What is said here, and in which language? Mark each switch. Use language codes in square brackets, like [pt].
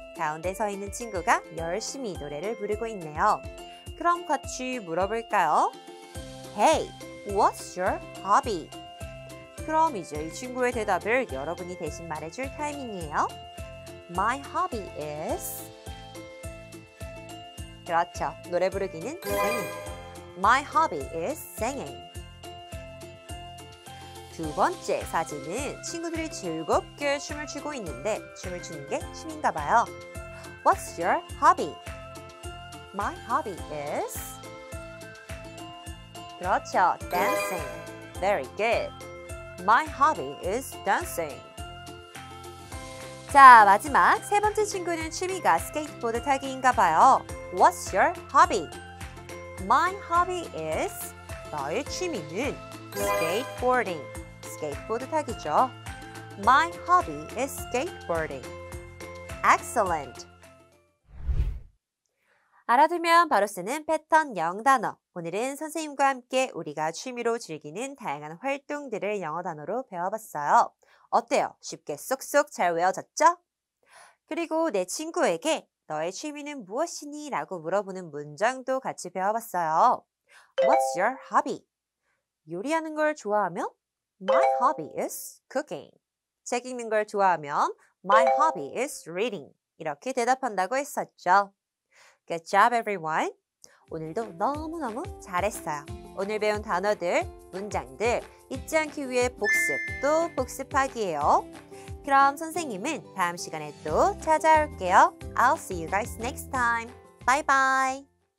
[ko] 가운데 서 있는 친구가 열심히 노래를 부르고 있네요. 그럼 같이 물어볼까요? [en] Hey, what's your hobby? [ko] 그럼 이제 이 친구의 대답을 여러분이 대신 말해줄 타이밍이에요. [en] My hobby is... [ko] 그렇죠. 노래 부르기는 [en] singing. My hobby is singing. [ko] 두 번째 사진은 친구들이 즐겁게 춤을 추고 있는데 춤을 추는 게 취미인가 봐요. [en] What's your hobby? My hobby is... [ko] 그렇죠, dancing. [en] Very good. My hobby is dancing. [ko] 자, 마지막 세 번째 친구는 취미가 스케이트보드 타기인가 봐요. [en] What's your hobby? My hobby is... [ko] 나의 취미는 skateboarding. 스케이트보드 타기죠. [en] My hobby is skateboarding. Excellent. [ko] 알아두면 바로 쓰는 패턴 영단어. 오늘은 선생님과 함께 우리가 취미로 즐기는 다양한 활동들을 영어 단어로 배워봤어요. 어때요? 쉽게 쏙쏙 잘 외워졌죠? 그리고 내 친구에게 너의 취미는 무엇이니? 라고 물어보는 문장도 같이 배워봤어요. [en] What's your hobby? [ko] 요리하는 걸 좋아하면? [en] My hobby is cooking. [ko] 책 읽는 걸 좋아하면? [en] My hobby is reading. [ko] 이렇게 대답한다고 했었죠. [en] Good job, everyone. [ko] 오늘도 너무너무 잘했어요. 오늘 배운 단어들, 문장들 잊지 않기 위해 복습도 복습하기예요. 그럼 선생님은 다음 시간에 또 찾아올게요. [en] I'll see you guys next time. Bye bye.